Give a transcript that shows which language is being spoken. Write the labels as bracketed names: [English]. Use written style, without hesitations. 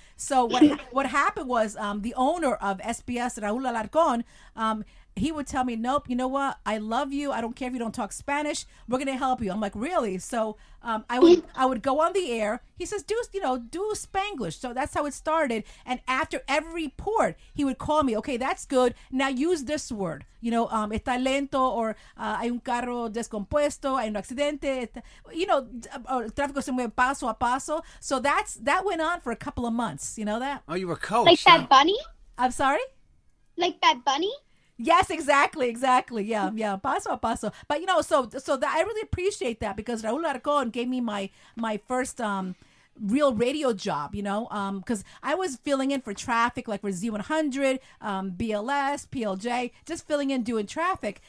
[English] So what happened was the owner of SBS, Raul Alarcón, he would tell me, nope, you know what? I love you. I don't care if you don't talk Spanish. We're going to help you. I'm like, really? So I would go on the air. He says, do Spanglish. So that's how it started. And after every report, he would call me. Okay, that's good. Now use this word. You know, [Spanish] está lento, [English] or [Spanish] hay un carro descompuesto, hay un accidente. [English] You know, [Spanish] tráfico se mueve paso a paso. [English] So that went on for a couple of months. You know that? Oh, you were coached. Like that bunny? I'm sorry? Like that bunny? Yes, exactly. Yeah, [Spanish] paso a paso. [English] But, you know, so I really appreciate that because Raul Arcon gave me my first real radio job, you know, because I was filling in for traffic, like for Z100, BLS, PLJ, just filling in doing traffic.